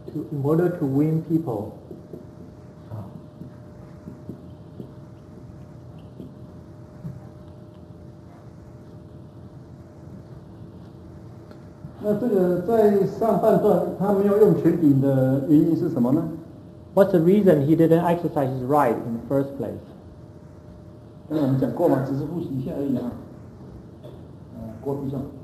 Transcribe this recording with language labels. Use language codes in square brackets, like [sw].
[en] In order to win people. [zh] 那这个在上半段他没有用权柄的原因是什么呢？ [en] What's the reason he didn't exercise his right in the first place? [zh] 刚才我们讲过嘛，只是复习一下而已啊。郭弼兄。